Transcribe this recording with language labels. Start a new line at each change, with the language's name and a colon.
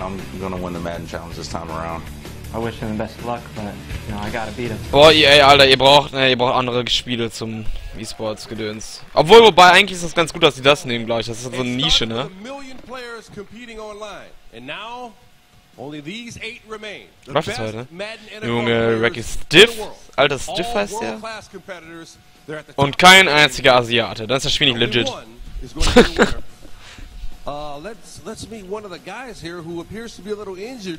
English: I'm gonna win the Madden Challenge this time around. I wish him the best luck, but you know I gotta beat him.
German: Boah, EA, Alter, ihr braucht andere Spiele zum E-Sports Gedöns. Obwohl, wobei eigentlich ist das ganz gut, dass sie das nehmen, glaube ich. Das ist so eine Nische, ne?
English: Million players competing online, and now only these eight remain.
German: Was ist heute? Junge, Racky Stiff, alter Stiff heißt der. Und kein einziger Asiate. Dann ist das Spiel nicht legit.
English: Let's meet one of the guys here who appears to be a little injured.